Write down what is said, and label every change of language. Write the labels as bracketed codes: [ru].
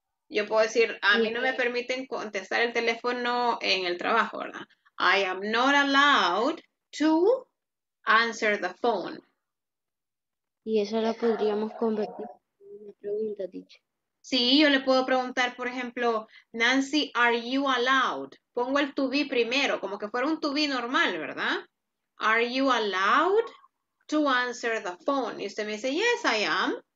[es] Yo puedo decir, a mí no me permiten contestar el teléfono en el trabajo, ¿verdad? [en] I am not allowed to answer the phone. [es] Y eso lo podríamos convertir en una pregunta, dicha. Sí, yo le puedo preguntar, por ejemplo, Nancy, [en] are you allowed? [es] Pongo el to be primero, como que fuera un to be normal, ¿verdad? [en] Are you allowed to answer the phone? [es] Y usted me dice, [en] yes, I am.